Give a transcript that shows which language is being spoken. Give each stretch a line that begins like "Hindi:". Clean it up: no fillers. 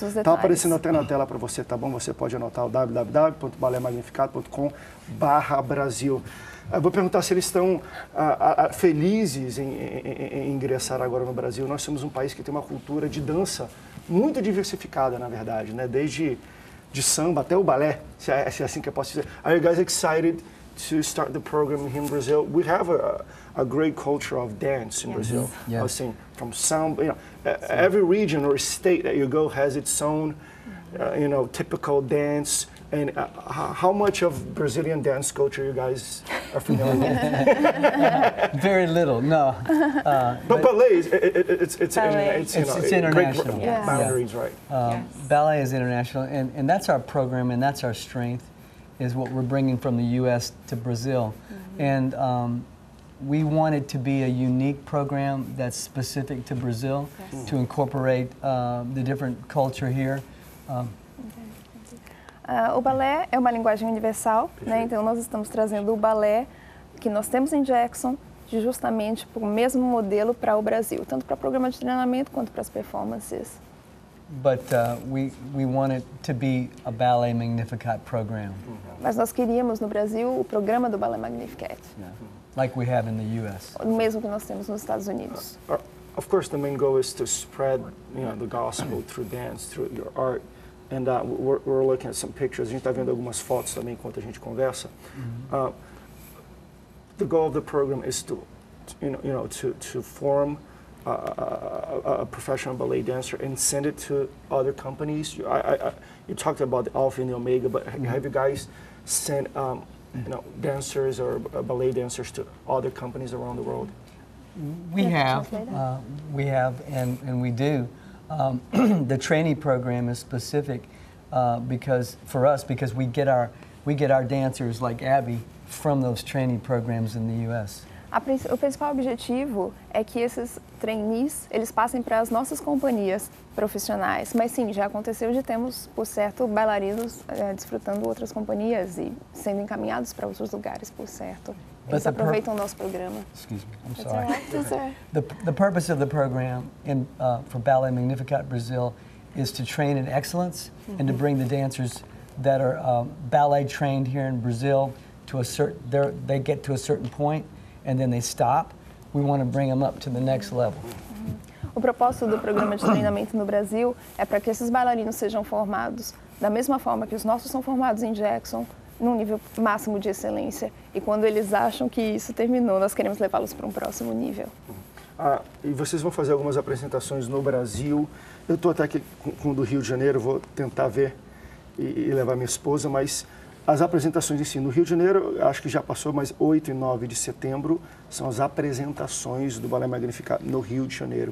Portuguese: Está aparecendo até na tela para você, tá bom? Você pode anotar o www.balemagnificado.com/brasil. Eu vou perguntar se eles estão felizes em ingressar agora no Brasil. Nós somos um país que tem uma cultura de dança muito diversificada, na verdade, né? Desde de samba até o balé, se é assim que eu posso dizer.
English: Are you guys excited to start the program here in Brazil? We have a great culture of dance in Brazil. Yes. I was saying from samba, you know, every region or state that you go has its own, you know, typical dance. And how much of Brazilian dance culture you guys are familiar with? Very little, no. But ballet, it's international. International. Yes. Boundaries, right. Ballet is international, and that's our program, and that's our strength, is what we're bringing from the U.S. to Brazil. Mm-hmm. And we want it to be a unique program that's specific to Brazil, yes, to incorporate the different culture here.
Portuguese: O balé é uma linguagem universal, né? Então nós estamos trazendo o balé que nós temos em Jackson, justamente para o mesmo modelo para o Brasil, tanto para o programa de treinamento quanto para as performances.
English: But we want it to be a Ballet Magnificat program.
Portuguese: Mas nós queríamos no Brasil o programa do Ballet Magnificat.
English: Like we have in the US.
Portuguese: O mesmo que nós temos nos Estados Unidos.
English: Of course the main goal is to spread, you know, the gospel through dance, through your art. And we're looking at some pictures.
Portuguese: A gente está vendo algumas fotos também enquanto a gente conversa. Mm-hmm.
English: The goal of the program is to, to form a professional ballet dancer and send it to other companies. You talked about the Alpha and the Omega, but mm-hmm. have you guys sent dancers or ballet dancers to other companies around the world? We have, and we do. the trainee program is specific because we get our dancers like Abby from those trainee programs in the U.S.
Portuguese: O principal objetivo é que esses trainees, eles passem para as nossas companhias profissionais. Mas sim, já aconteceu de termos, por certo, bailarinos desfrutando outras companhias e sendo encaminhados para outros lugares, por certo. Eles aproveitam o nosso programa.
English: Excuse me, I'm sorry. The purpose of the program in, for Ballet Magnificat Brazil is to train in excellence mm-hmm. and to bring the dancers that are ballet trained here in Brazil to a certain, they get to a certain point. And then they stop, we want to bring them up to the next level.
Portuguese: O propósito do programa de treinamento no Brasil é para que esses bailarinos sejam formados da mesma forma que os nossos são formados em Jackson, num nível máximo de excelência. E quando eles acham que isso terminou, nós queremos levá-los para um próximo nível. E vocês vão fazer algumas apresentações no Brasil. Eu estou até aqui com o do Rio de Janeiro, vou tentar ver e levar minha esposa, mas as apresentações em si, no Rio de Janeiro, acho que já passou, mas 8 e 9 de setembro são as apresentações do Balé Magnificat no Rio de Janeiro.